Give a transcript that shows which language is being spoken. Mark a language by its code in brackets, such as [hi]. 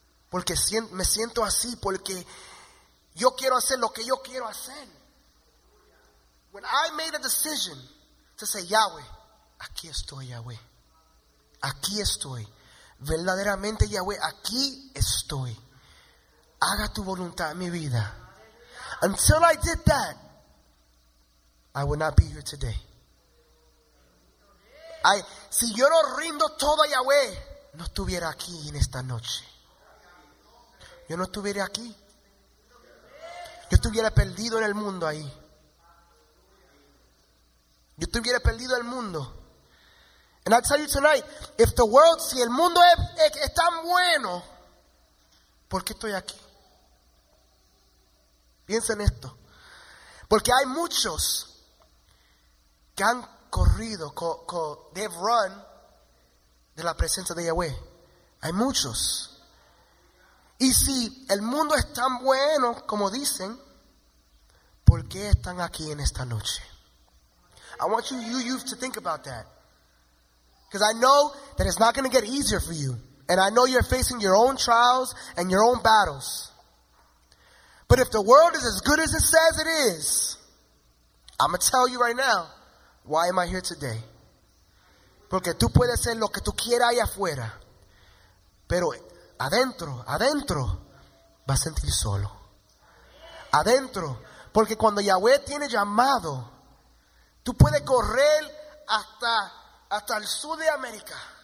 [es] Porque me siento así, porque yo quiero hacer lo que yo quiero hacer. [en] When I made a decision to say, Yahweh, [es] aquí estoy, [en] Yahweh. [es] Aquí estoy. Verdaderamente, Yahweh, aquí estoy. Haga tu voluntad en mi vida. [en] Until I did that, I would not be here today. [es] Si yo no rindo todo a Yahweh, no estuviera aquí en esta noche. Yo no estuviera aquí. Yo estuviera perdido en el mundo ahí. Yo estuviera perdido en el mundo. [en] And I'll tell you tonight, if the world, [es] si el mundo es tan bueno, ¿por qué estoy aquí? Piensen esto. Porque hay muchos que han corrido, [en] they've run [es] de la presencia de Yahweh. Hay muchos. Y si el mundo es tan bueno, como dicen, ¿por qué están aquí en esta noche? [en] I want you youth to think about that. Because I know that it's not going to get easier for you. And I know you're facing your own trials and your own battles. But if the world is as good as it says it is, I'm going to tell you right now, why am I here today? [es] Porque tú puedes ser lo que tú quieras allá afuera. Pero adentro, vas a sentir solo. Adentro, porque cuando Yahweh tiene llamado, tú puedes correr hasta el sur de América.